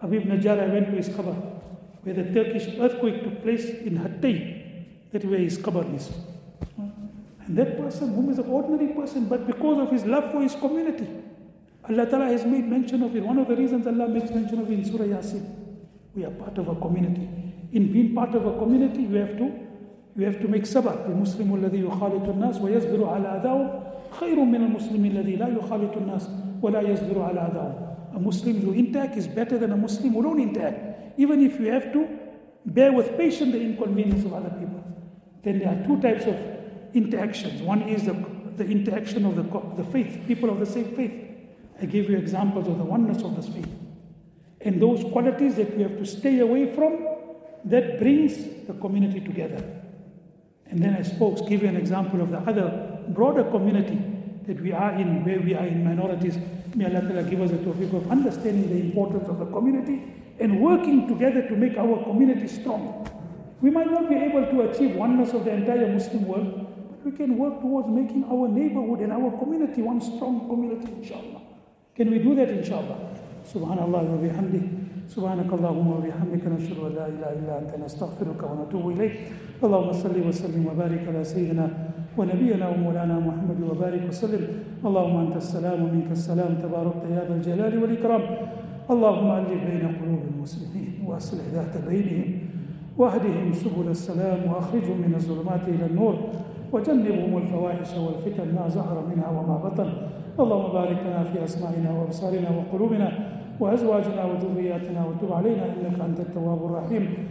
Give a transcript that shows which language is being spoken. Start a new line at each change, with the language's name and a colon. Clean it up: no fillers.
English: Habib Najjar, I went to his qabr, where the Turkish earthquake took place in Hattay, that where his qabr is. And that person, whom is an ordinary person, but because of his love for his community, Allah Ta'ala has made mention of it. One of the reasons Allah makes mention of it in Surah Yasin, we are part of a community. In being part of a community, you have to make sabr.
Arabic: المسلم الذي يخالط الناس ويصبر على أذاه خير من المسلم الذي لا يخالط الناس ولا يصبر على أذاه.
English: A Muslim who interacts is better than a Muslim who don't interact. Even if you have to bear with patience the inconvenience of other people, then there are two types of interactions. One is the interaction of the faith, people of the same faith. I gave you examples of the oneness of this faith. And those qualities that we have to stay away from, that brings the community together. And then I spoke, give you an example of the other broader community that we are in, where we are in minorities. May Allah Ta'ala give us a topic of understanding the importance of the community and working together to make our community strong. We might not be able to achieve oneness of the entire Muslim world, but we can work towards making our neighborhood and our community one strong community, inshallah. Can we do that, inshallah? Subhanallah wa bihamdi.
Arabic: سبحانك اللهم وبحمدك نشهد أن لا إله إلا أنت نستغفرك ونتوب إليك اللهم صل وسلم وبارك على سيدنا ونبينا ومولانا محمد وبارك وسلم اللهم أنت السلام ومنك السلام تبارك يا ذا الجلال والإكرام اللهم ألف بين قلوب المسلمين وأصلح ذات بينهم واهدهم سبل السلام وأخرجهم من الظلمات إلى النور وجنبهم الفواحش والفتن ما ظهر منها وما بطن اللهم بارك لنا في أسمائنا وأبصارنا وقلوبنا وأزواجنا وذرياتنا وتب علينا إنك أنت التواب الرحيم